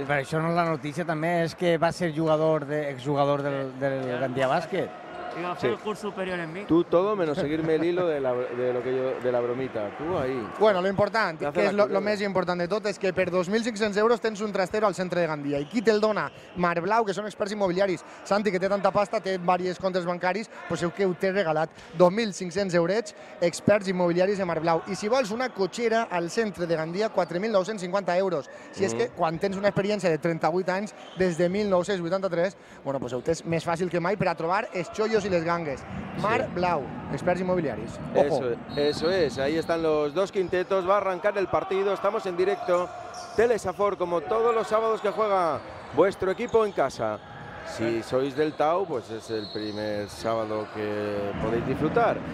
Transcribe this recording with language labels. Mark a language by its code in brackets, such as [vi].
[es] Pero eso no es la noticia también, es que va a ser jugador exjugador del Gandia Basket. Y va a hacer el curso superior en mí. Tú todo menos seguirme el hilo de la bromita. Tú ahí. Bueno, lo importante, que es lo más importante de todo, es que [ca] per 2.500 euros tens un trastero al centre de Gandia. I qui te'l dona? Marblau, que són experts immobiliaris. Santi, que té tanta pasta, té diversos comptes bancaris, però segur que ho té regalat. 2.500 eurets, experts immobiliaris de Marblau. I si vols una cotxera al centre de Gandia, 4.950 euros. Si és que quan tens una experiència de 38 anys, des de 1983, bueno, doncs ho tens més fàcil que mai per a trobar això y les gangues. Mar Blau, experts immobiliaris. [es] Eso es, ahí están los dos quintetos, va a arrancar el partido, estamos en directo. Telesafor, como todos los sábados que juega vuestro equipo en casa. Si sois del Tau, pues es el primer sábado que podéis disfrutar.